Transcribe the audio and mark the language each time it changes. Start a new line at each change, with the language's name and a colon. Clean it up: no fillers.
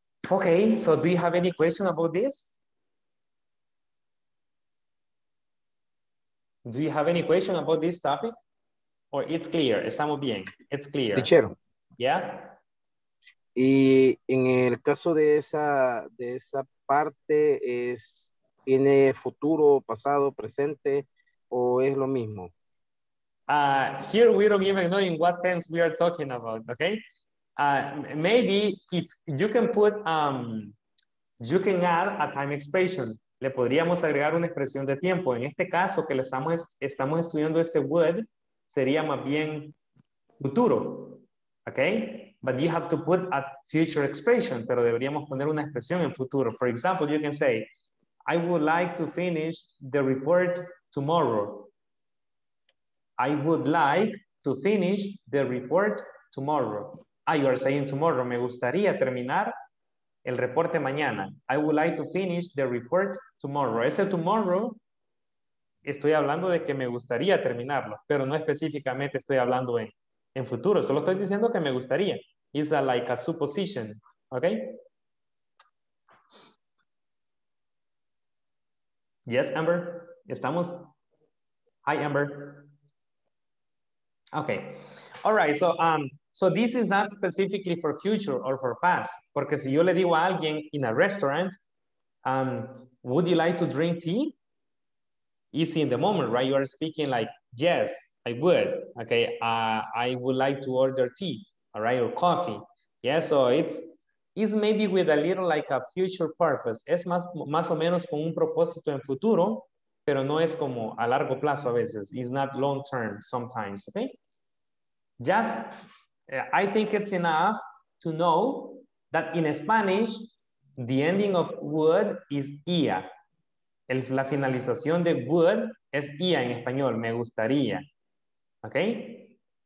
English: Okay, so do you have any question about this? Do you have any question about this topic? Or it's clear,
Spanish: estamos bien,
English: it's clear. Teacher. Yeah.
Spanish: Y en el caso de esa parte, es, ¿tiene futuro, pasado, presente, o es lo mismo?
English: Here we don't even know in what tense we are talking about, okay? Maybe if you can put, you can add a time expression.
Spanish: Le podríamos agregar una expresión de tiempo. En este caso que le estamos estudiando este would, sería más bien futuro. Okay?
English: But you have to put a future expression,
Spanish: pero deberíamos poner una expresión en futuro.
English: For example, you can say, I would like to finish the report tomorrow. I would like to finish the report tomorrow. Ah, you are saying tomorrow.
Spanish: Me gustaría terminar el reporte mañana.
English: I would like to finish the report tomorrow.
Spanish: Ese tomorrow, estoy hablando de que me gustaría terminarlo, pero no específicamente estoy hablando en futuro. Solo estoy diciendo que me gustaría.
English: It's a, like a supposition.
Spanish: Okay?
English: Yes, Amber? ¿Estamos? Hi, Amber. Okay. All right, so... So this is not specifically for future or for past.
Spanish: Porque si yo le digo a alguien
English: in a restaurant, would you like to drink tea? Easy in the moment, right? You are speaking like, yes, I would. Okay, I would like to order tea, all right? Or coffee. Yeah, so it's is maybe with a little like a future purpose.
Spanish: Es más o menos con un propósito en futuro, pero no es como a largo plazo a veces.
English: It's not long term sometimes, okay? Just, I think it's enough to know that in Spanish, the ending of would is ia.
Spanish: La finalización de would es ia en español, me gustaría. Okay?